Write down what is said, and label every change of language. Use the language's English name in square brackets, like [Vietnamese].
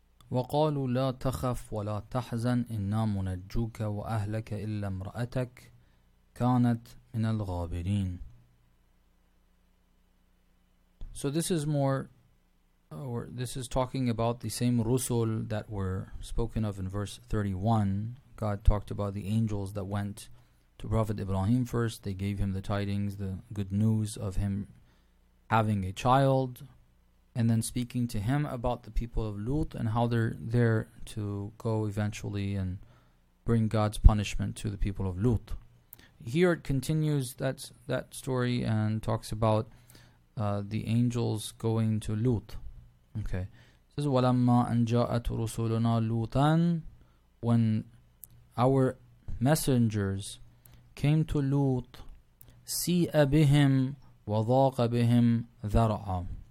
[Arabic] وقالوا لا تخف ولا تحزن إنا منجوك وأهلك إلا امرأتك كانت من الغابرين. [English] So this is more, or this is talking about the same rusul that were spoken of in verse 31. God talked about the angels that went to Prophet Ibrahim first. They gave him the tidings, the good news of him having a child, and then speaking to him about the people of Lut and how they're there to go eventually and bring God's punishment to the people of Lut. Here it continues that story and talks about the angels going to Lut. Okay. It says, [Arabic] وَلَمَّا أَنْ جَاءَتْ رُسُولُنَا لُوتًا, [English] when our messengers came to Lut, [Arabic] سِيءَ بِهِمْ وَضَاقَ بِهِمْ ذَرْعًا.